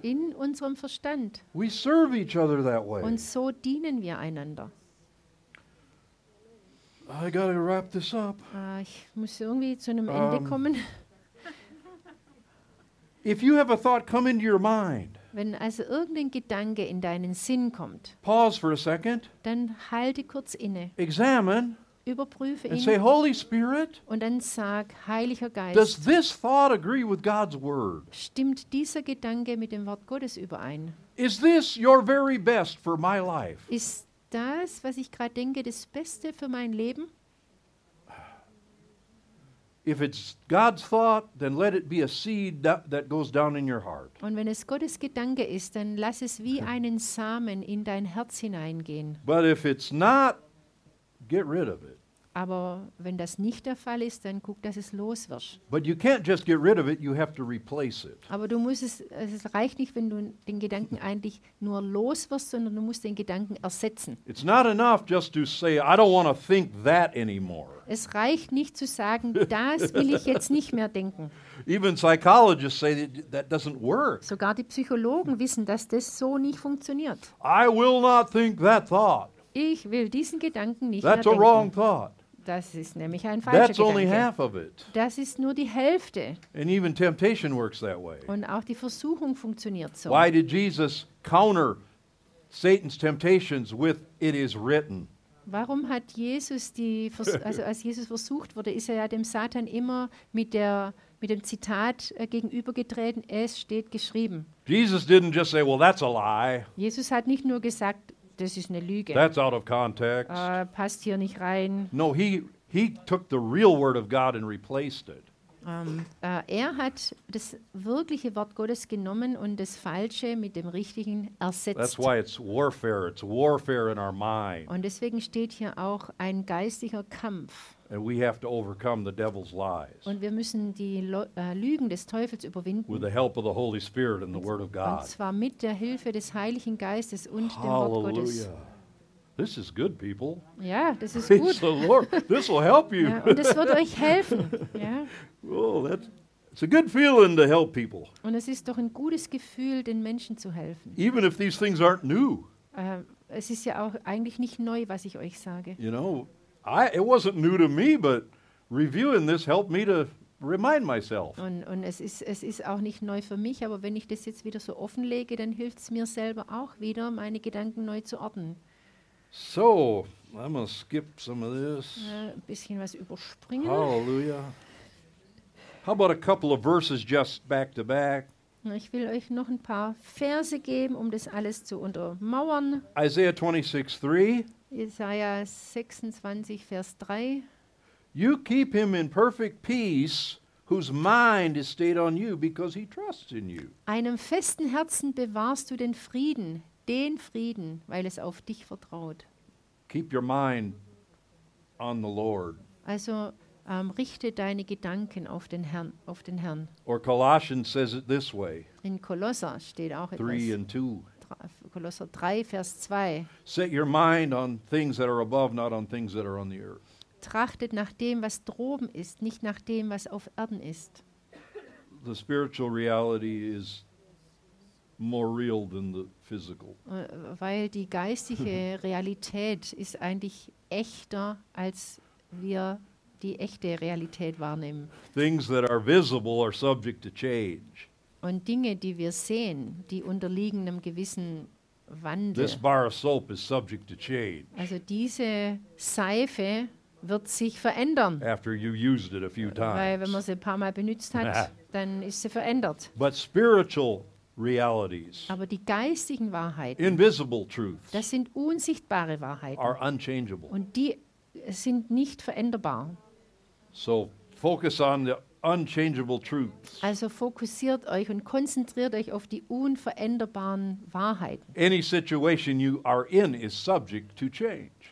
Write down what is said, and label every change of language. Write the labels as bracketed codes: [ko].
[de] In unserem Verstand. [en] We serve each other that way. [de] Und so dienen wir einander. [en] I gotta wrap this up. [de] Ich muss irgendwie zu einem Ende kommen. [en] If you have a thought come into your mind. [de] Wenn also irgendein Gedanke in deinen Sinn kommt. [en] Pause for a second. [de] Dann halte kurz inne. [en] Examine. [de] Überprüfe ihn. [en] And say, Holy Spirit, [de] und dann sag, Heiliger Geist, [en] does this thought agree with God's word? [de] Stimmt dieser Gedanke mit dem Wort Gottes überein? [en] Is this your very best for my life? [de] Ist das, was ich gerade denke, das Beste für mein Leben? [en] If it's God's thought, then let it be a seed that goes down in your heart. [de] Und wenn es Gottes Gedanke ist, dann lass es wie einen Samen in dein Herz hineingehen. [en] But if it's not, get rid of it. [de] Aber wenn das nicht der Fall ist, dann guck, dass es los wird. [en] But you can't just get rid of it, you have to replace it. [de] Aber du musst es reicht nicht, wenn du den Gedanken eigentlich nur los wirst, sondern du musst den Gedanken ersetzen. [en] It's not enough just to say I don't want to think that anymore. [de] Es reicht nicht zu sagen, das will ich jetzt nicht mehr denken. [en] Even psychologists say that doesn't work. [de] Sogar die Psychologen wissen, dass das so nicht funktioniert. [en] I will not think that thought. [de] Ich will diesen Gedanken nicht [en] That's [de] mehr denken. [en] A wrong thought. [de] Das ist nämlich ein falscher [en] That's [de] Gedanke. [en] Only half of it. [de] Das ist nur die Hälfte. [en] And even temptation works that way. [de] Und auch die Versuchung funktioniert so. [en] Why did Jesus counter Satan's temptations with "It is written"? [de] Warum hat Jesus als Jesus versucht wurde, ist er ja dem Satan immer mit dem Zitat gegenübergetreten: Es steht geschrieben. [en] Jesus didn't just say, "Well, that's a lie." [de] Jesus hat nicht nur gesagt, das ist eine Lüge. [en] That's out of context. [de] Passt hier nicht rein. [en] No, he took the real word of God and replaced it. [de] Er hat das wirkliche Wort Gottes genommen und das Falsche mit dem Richtigen ersetzt. [en] That's why it's warfare. It's warfare in our mind. [de] Und deswegen steht hier auch ein geistlicher Kampf. [en] And we have to overcome the devil's lies. [de] Und wir müssen die Lügen des Teufels überwinden. [en] With the help of the Holy Spirit and the Word of God. [de] Und zwar mit der Hilfe des Heiligen Geistes und Hallelujah. Dem Wort Gottes. [en] This is good, people. [de] Ja, das ist gut. [en] The Lord. This will help you. [de] Ja, und das wird euch helfen. Ja. [en] Oh, that It's a good feeling to help people. [de] Und es ist doch ein gutes Gefühl, den Menschen zu helfen. [en] Even if these things aren't new. [de] Es ist ja auch eigentlich nicht neu, was ich euch sage. [en] You know, it wasn't new to me, but reviewing this helped me to remind myself. [de] Und es ist auch nicht neu für mich, aber wenn ich das jetzt wieder so offenlege, dann hilft es mir selber auch wieder, meine Gedanken neu zu ordnen. [en] So, I'm gonna skip some of this. [de] Ein bisschen was überspringen. [en] Hallelujah. How about a couple of verses just back to back? [de] Ich will euch noch ein paar Verse geben, um das alles zu untermauern. [en] Isaiah 26:3. [de] Jesaja 26, Vers 3. [en] You keep him in perfect peace, whose mind is stayed on you, because he trusts in you. [de] Einem festen Herzen bewahrst du den Frieden, weil es auf dich vertraut. [en] Keep your mind on the Lord. [de] Also richte deine Gedanken auf den Herrn. [en] Or Colossians says it this way. [de] In Kolosser steht auch etwas. [en] 3 and 2. [de] Kolosser 3, Vers 2. [en] Set your mind on things that are above, not on things that are on the earth. [de] Trachtet nach dem, was droben ist, nicht nach dem, was auf Erden ist. [en] The spiritual reality is more real than the physical. [de] Weil die geistige Realität ist eigentlich echter, als wir die echte Realität wahrnehmen. [en] Things that are visible are subject to change. [de] Und Dinge, die wir sehen, die unterliegen einem gewissen Wandel. [en] This bar of soap is subject to change. [de] Also diese Seife wird sich verändern. [en] After you used it a few times. [de] Weil wenn man sie ein paar Mal benutzt hat, dann ist sie verändert. [en] But spiritual realities, [de] aber die geistigen Wahrheiten, [en] invisible truths, [de] das sind unsichtbare Wahrheiten, [en] are unchangeable. [de] Und die sind nicht veränderbar. [en] So focus on the unchangeable truths. [de] Also fokussiert euch und konzentriert euch auf die unveränderbaren Wahrheiten. [en] Any situation you are in is subject to change.